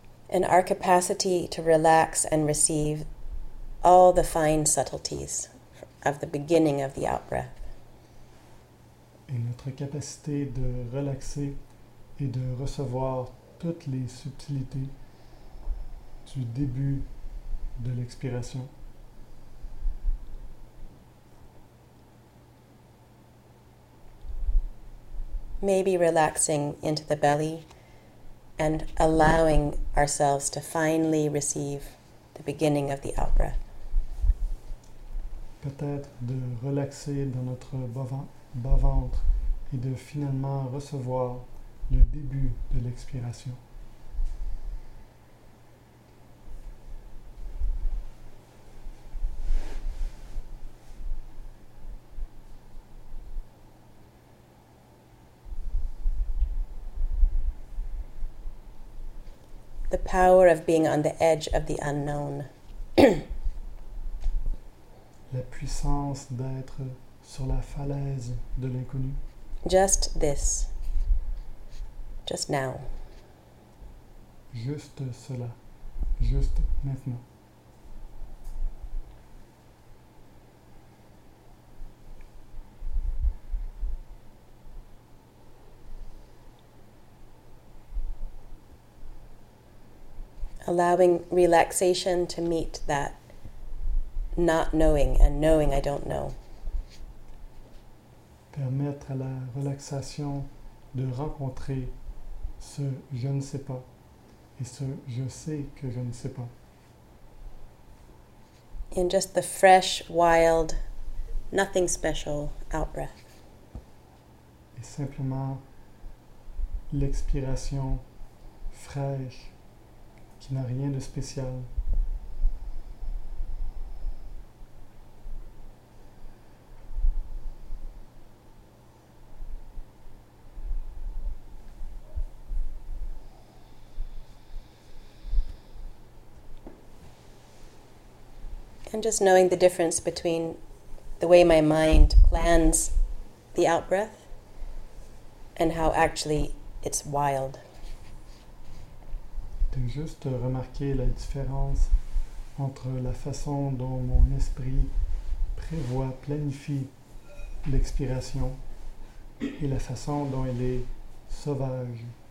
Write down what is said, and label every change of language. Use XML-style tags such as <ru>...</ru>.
<en>And our capacity to relax and receive all the fine subtleties of the beginning of the out-breath.</en> <fr>Et notre capacité de relaxer et de recevoir toutes les subtilités du début de l'expiration.</fr> <en>Maybe relaxing into the belly and allowing ourselves to finally receive the beginning of the out-breath.</en> <fr>Peut-être de relaxer dans notre bas-ventre et de finalement recevoir le début de l'expiration.</fr> <en>The power of being on the edge of the unknown.</en> <fr>La puissance d'être sur la falaise de l'inconnu.</fr> <en>Just this. Just now.</en> <fr>Juste cela. Juste maintenant.</fr> <en>Allowing relaxation to meet that not knowing and knowing I don't know.</en> <fr>Permettre à la relaxation de rencontrer ce je ne sais pas et ce je sais que je ne sais pas.</fr> <en>In just the fresh, wild, nothing special out-breath.</en> <fr>Et simplement l'expiration fraîche qui n'a rien de spécial.</fr> <en>And just knowing the difference between the way my mind plans the out-breath and how actually it's wild.</en> <fr>C'est juste remarquer la différence entre la façon dont mon esprit prévoit, planifie l'expiration et la façon dont elle est sauvage.</fr>